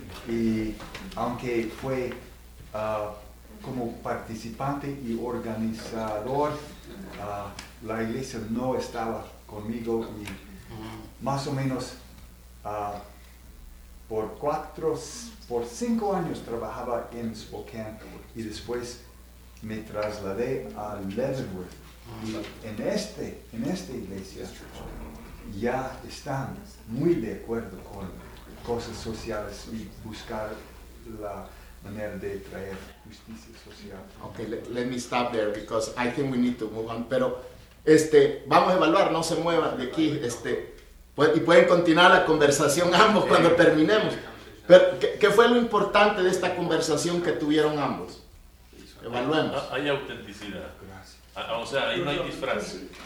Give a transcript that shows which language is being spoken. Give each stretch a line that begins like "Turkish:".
Spanish: Y aunque fue como participante y organizador, la iglesia no estaba conmigo, y más o menos por 5 años trabajaba en Spokane, y después me trasladé a Leavenworth. Y en esta iglesia ya están muy de acuerdo con cosas sociales y buscar la manera de traer justicia social.
English: Okay, let me stop there because I think we need to move on.
Spanish: Pero vamos a evaluar, no se muevan de aquí, y pueden continuar la conversación ambos cuando terminemos. Pero ¿qué fue lo importante de esta conversación que tuvieron ambos? Evaluemos. Hay autenticidad. Gracias. O sea, ahí no hay disfraz.